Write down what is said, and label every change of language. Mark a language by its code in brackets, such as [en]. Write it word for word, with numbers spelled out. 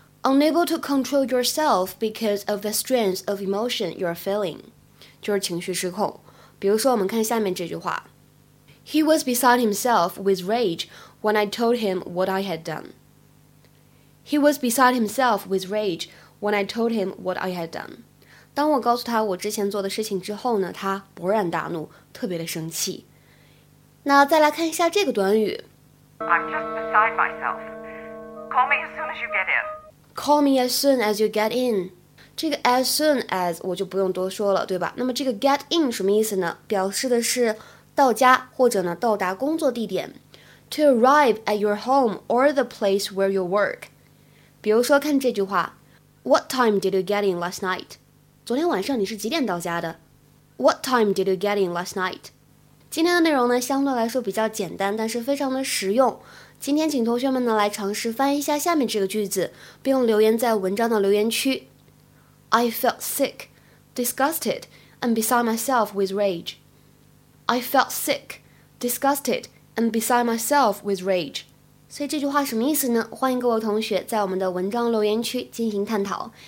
[en] Unable to control yourself because of the strength of emotion you are feeling， [zh] 就是情绪失控。比如说，我们看下面这句话 [en] ：He was beside himself with rage when I told him what I had done。 He was beside himself with rage when I told him what I had done. [zh] 当我告诉他我之前做的事情之后呢，他勃然大怒，特别的生气。那再来看一下这个短语 [en] I'm just beside myself. Call me as soon as you get in. Call me as soon as you get in. [zh] 这个 as soon as 我就不用多说了，对吧？那么这个 get in 什么意思呢？表示的是到家或者呢到达工作地点 [en] To arrive at your home or the place where you work. [zh] 比如说看这句话 [en] What time did you get in last night? [zh] 昨天晚上你是几点到家的 [en] What time did you get in last night? [zh] 今天的内容呢相对来说比较简单，但是非常的实用。今天请同学们呢来尝试翻译一下下面这个句子，并留言在文章的留言区 [en] I felt sick, disgusted, and beside myself with rage. I felt sick, disgusted, and beside myself with rage. [zh] 所以这句话什么意思呢？欢迎各位同学在我们的文章留言区进行探讨。